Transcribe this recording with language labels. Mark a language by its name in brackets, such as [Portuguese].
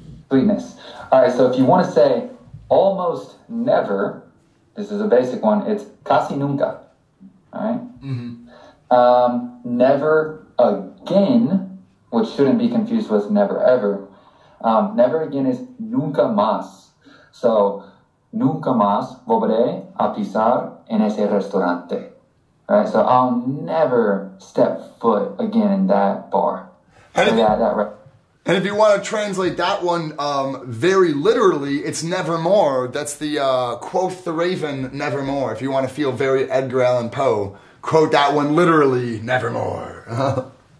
[English] Sweetness. All right, so if you want to say almost never, this is a basic one, it's [Spanish] casi nunca. [English] All right? Mm-hmm. Never again, which shouldn't be confused with never ever. Never again is [Spanish] nunca más. So nunca más volveré a pisar en ese restaurante. [English] All right, so I'll never step foot again in that bar. And if you want to translate that one very literally, it's nevermore. That's the quote the raven, nevermore. If you want to feel very Edgar Allan Poe, quote that one literally, nevermore.